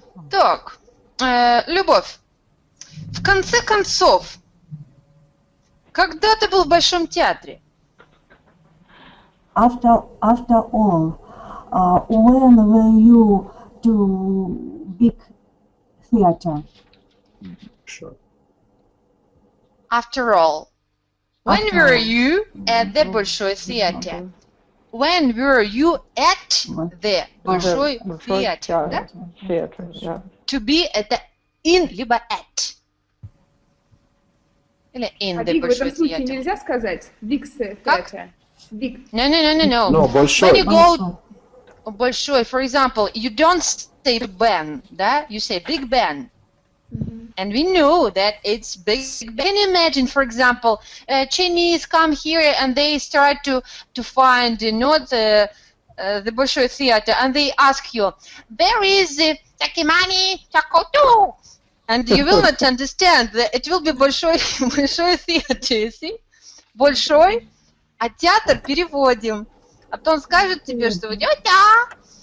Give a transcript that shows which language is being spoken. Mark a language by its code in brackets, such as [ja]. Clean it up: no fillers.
[ru] Так, Любовь, в конце концов, когда ты был в Большом театре? [en] After all, when were you to big theater? Sure. After all. When were you at the Bolshoi Theatre? When were you at the Bolshoi Theatre? Да? To be at the in либо at. Или in the Bolshoi Theatre. [ru] Нельзя сказать [en] big theater. Big. No. [ru] Большой. [en] When you go Bolshoi, for example, you don't say Big Ben, да? You say Big Ben. And we know that it's big. Can you imagine, for example, Chinese come here and they start to find the Bolshoi Theater, and they ask you, "Where is the Takimani Takoto?" And you will not understand that it will be Bolshoi Theater. [ru] See, Bolshoi, а театр переводим. А потом скажут тебе, что у него да.